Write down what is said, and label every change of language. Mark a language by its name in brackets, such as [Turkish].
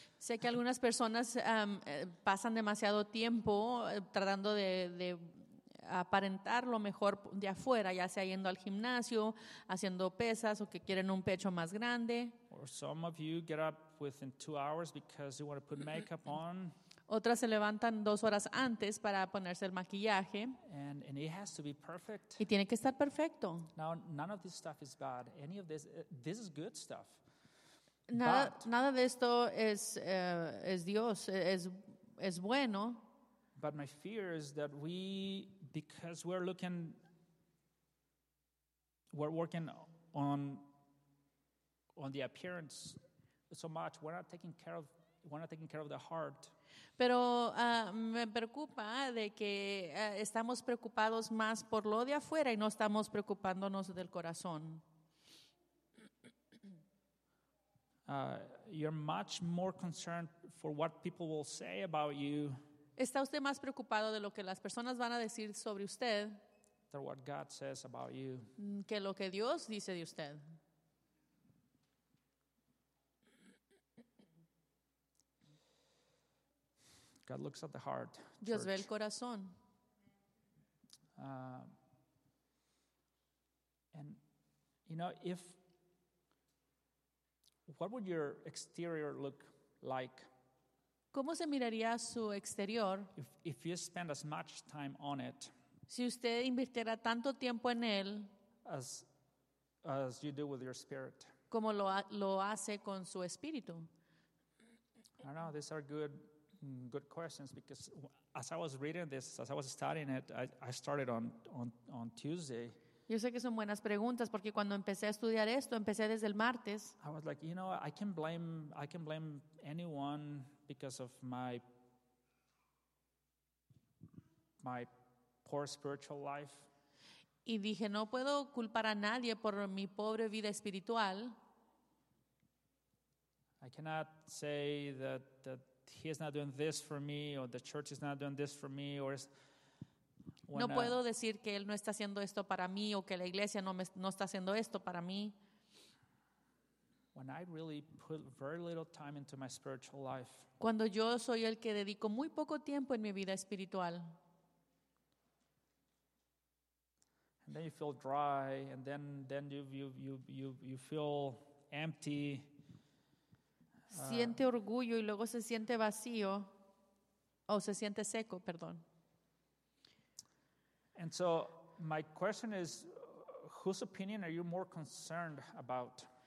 [Spanish] Sé que algunas personas pasan demasiado tiempo tratando de aparentar lo mejor de afuera, ya sea yendo al gimnasio, haciendo pesas o que quieren un pecho más grande. [English] Or some of you get up within 2 hours because you want to put makeup on. [Spanish] Otras se levantan 2 horas antes para ponerse el maquillaje. [English] And it has to be perfect. [Spanish] Y tiene que estar perfecto. [English] Now, none of this stuff is bad. Any of this is good stuff. [Spanish] Nada de esto es Dios, es bueno. [English] But my fear is that because we're working on the appearance so much, we're not taking care of the heart. [Spanish] Pero me preocupa de que estamos preocupados más por lo de afuera y no estamos preocupándonos del corazón. [English] You're much more concerned for what people will say about you. [Spanish] ¿Está usted más preocupado de lo que las personas van a decir sobre usted? [English] Than what God says about you. [Spanish] Que lo que Dios dice de usted. [English] God looks at the heart. [Spanish] Dios [English] church. [Spanish] Ve el corazón. [English] And you know, if what would your exterior look like? [Spanish] ¿Cómo se miraría su exterior? [English] If you spend as much time on it. [Spanish] Si usted invirtiera tanto tiempo en él. [English] As you do with your spirit. [Spanish] Como lo hace con su espíritu. [English] I don't know, these are good questions because as I was reading this, as I was studying it, I started on Tuesday. [Spanish] Yo sé que son buenas preguntas porque cuando empecé a estudiar esto, empecé desde el martes. [English] I was like, you know, I can blame anyone because of my poor spiritual life. [Spanish] Y dije, no puedo culpar a nadie por mi pobre vida espiritual. [English] I cannot say that he is not doing this for me, or the church is not doing this for me, or [Spanish] No puedo decir que él no está haciendo esto para mí o que la iglesia no está haciendo esto para mí. [English] When I really put very little time into my spiritual life. [Spanish] Cuando yo soy el que dedico muy poco tiempo en mi vida espiritual. [English] And then you feel dry, and then you feel empty. [Spanish] Siente orgullo y luego se siente vacío o se siente seco, perdón. [English] And so my question is, whose opinion are you more concerned about?